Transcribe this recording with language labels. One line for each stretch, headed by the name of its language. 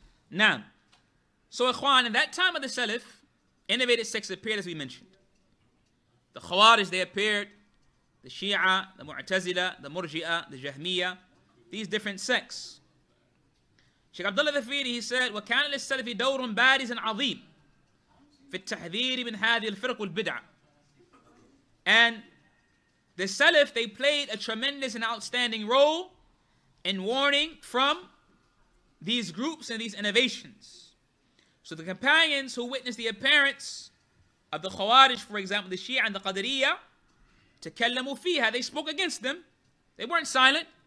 English: Now, so Ikhwan, in that time of the Salaf, innovative sects appeared, as we mentioned. The Khawarij, they appeared, the Shia, the Mu'tazila, the Murji'ah, the Jahmiya, these different sects.
Arabic: Sheikh Abdullah Zafiri,
English: he said,
Arabic: وَكَانَ لِلسَّلَفِ دَوْرٌ بَارِزٌ عَظِيمٌ فِي التَّحْذِيرِ مِنْ هَذِي الْفِرْقُ وَالْبِدْعَ.
English: And the Salaf, they played a tremendous and outstanding role in warning from these groups and these innovations. So the companions who witnessed the appearance of the Khawarij, for example, the Shia and the Qadiriyya,
Arabic: تَكَلَّمُوا فِيهَا,
English: they spoke against them. They weren't silent.